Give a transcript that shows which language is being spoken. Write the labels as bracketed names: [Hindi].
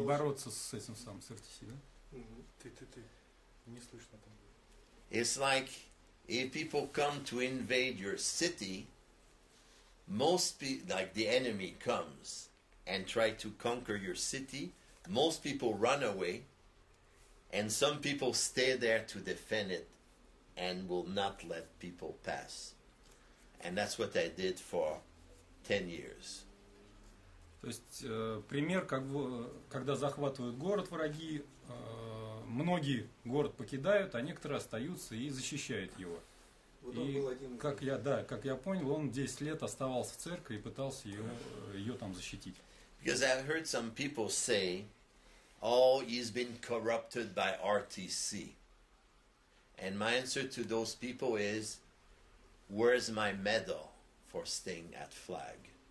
[Russian] бороться с этим самым, с RTC, да? Угу. Ты. Не слышно там. [English] It's like if people come to invade your city, most people, like the enemy comes and try to conquer your city, most people run away, and some people stay there to defend it and will not let people pass. And that's what I did for 10 years. [Russian] То есть, пример, как бы, когда захватывают город враги, многие город покидают, а некоторые остаются и защищают его. Вот и он был один из как я, да, как я понял, он 10 лет оставался в церкви и пытался ее там защитить. [English] Because I've heard some people say, oh, he's been corrupted by RTC. And my answer to those people is, where's my medal for staying at flag?